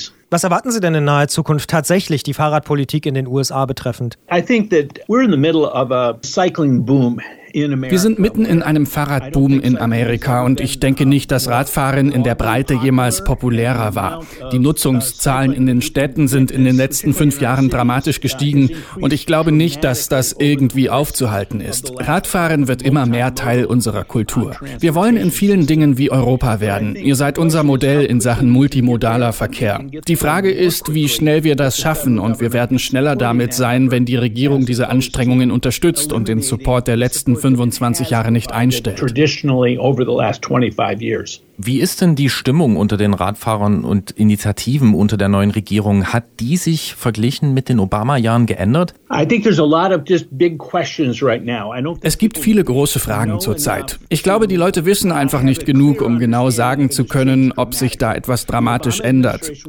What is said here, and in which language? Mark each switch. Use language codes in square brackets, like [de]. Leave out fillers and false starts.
[de] Was erwarten Sie denn in naher Zukunft tatsächlich die Fahrradpolitik in den USA betreffend? [en] I think that we're in the middle of a cycling boom. [de] Wir sind mitten in einem Fahrradboom in Amerika und ich denke nicht, dass Radfahren in der Breite jemals populärer war. Die Nutzungszahlen in den Städten sind in den letzten 5 Jahren dramatisch gestiegen und ich glaube nicht, dass das irgendwie aufzuhalten ist. Radfahren wird immer mehr Teil unserer Kultur. Wir wollen in vielen Dingen wie Europa werden. Ihr seid unser Modell in Sachen multimodaler Verkehr. Die Frage ist, wie schnell wir das schaffen und wir werden schneller damit sein, wenn die Regierung diese Anstrengungen unterstützt und den Support der letzten 25 Jahre nicht einstellt. [en] Traditionally over the last 25 years. [de] Wie ist denn die Stimmung unter den Radfahrern und Initiativen unter der neuen Regierung? Hat die sich verglichen mit den Obama-Jahren geändert? Es gibt viele große Fragen zurzeit. Ich glaube, die Leute wissen einfach nicht genug, um genau sagen zu können, ob sich da etwas dramatisch ändert.